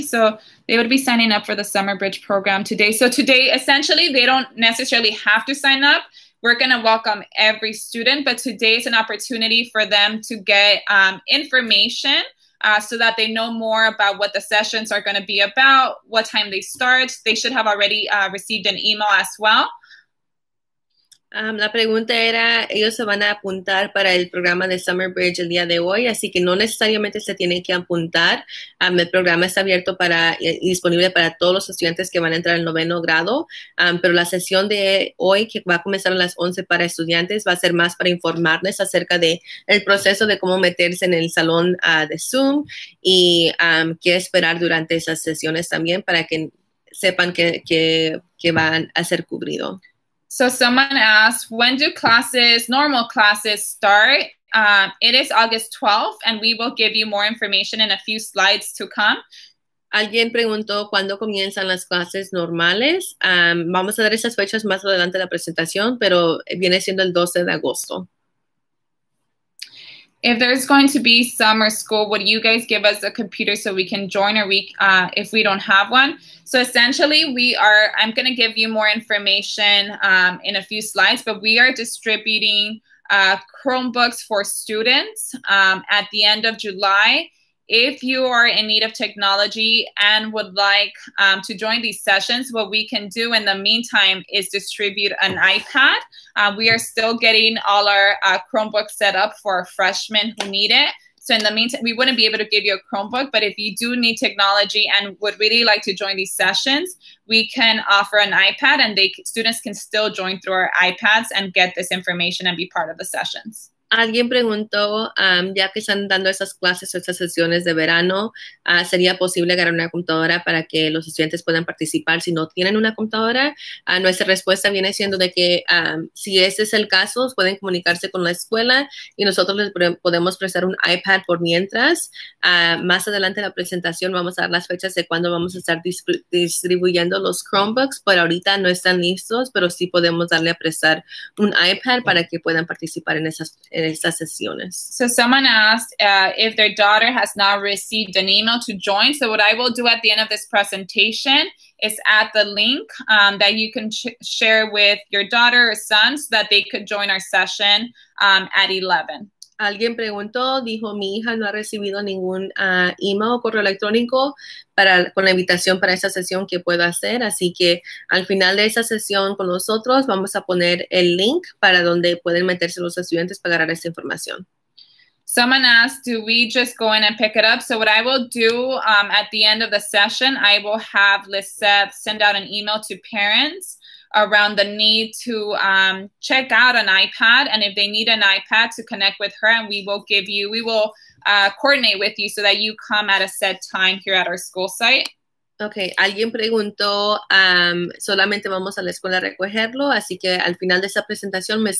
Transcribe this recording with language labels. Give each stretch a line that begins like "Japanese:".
English: So they would be signing up for the Summer Bridge program today. So today, essentially, they don't necessarily have to sign up. We're going to welcome every student, but today is an opportunity for them to get information so that they know more about what the sessions are going to be about, what time they start. They should have already received an email as well.
Spanish: La pregunta era, ellos se van a apuntar para el programa de Summer Bridge el día de hoy, así que no necesariamente se tienen que apuntar. El programa está abierto para y disponible para todos los estudiantes que van a entrar al noveno grado, pero la sesión de hoy, que va a comenzar a las 11 para estudiantes, va a ser más para informarles acerca de el proceso de cómo meterse en el salón de Zoom y qué esperar durante esas sesiones también para que sepan que van a ser cubrido.
English: So someone asked, when do classes, normal classes, start? It is August 12th, and we will give you more information in a few slides to come.
Spanish: Alguien preguntó, ¿cuándo comienzan las clases normales? Vamos a dar esas fechas más adelante en la presentación, pero viene siendo el 12 de agosto.
English: If there's going to be summer school, would you guys give us a computer so we can join or if we don't have one? So essentially, I'm going to give you more information in a few slides, but we are distributing Chromebooks for students at the end of July. If you are in need of technology and would like to join these sessions, what we can do in the meantime is distribute an iPad. We are still getting all our Chromebooks set up for our freshmen who need it. So in the meantime, we wouldn't be able to give you a Chromebook, but if you do need technology and would really like to join these sessions, we can offer an iPad, and they students can still join through our iPads and get this information and be part of the sessions.
Spanish: Alguien preguntó, ya que están dando esas clases o esas sesiones de verano, ¿sería posible agarrar una computadora para que los estudiantes puedan participar si no tienen una computadora? Nuestra respuesta viene siendo de que si ese es el caso, pueden comunicarse con la escuela y nosotros les podemos prestar un iPad por mientras. Más adelante en la presentación vamos a dar las fechas de cuándo vamos a estar distribuyendo los Chromebooks, pero ahorita no están listos, pero sí podemos darle a prestar un iPad para que puedan participar en esas sesiones.
English: So someone asked if their daughter has not received an email to join. So what I will do at the end of this presentation is add the link that you can share with your daughter or son so that they could join our session at 11.
Spanish: Alguien preguntó, dijo, mi hija no ha recibido ningún email o correo electrónico con la invitación para esa sesión que puedo hacer. Así que al final de esa sesión con nosotros, vamos a poner el link para donde pueden meterse los estudiantes para agarrar esa información.
English: Someone asked, do we just go in and pick it up? So what I will do at the end of the session, I will have Lizeth send out an email to parents around the need to check out an iPad, and if they need an iPad to connect with her, and we will coordinate with you so that you come at a set time here at our school site.
Spanish: Okay, alguien preguntó, solamente vamos a la escuela a recogerlo, así que al final de esta presentación, Ms.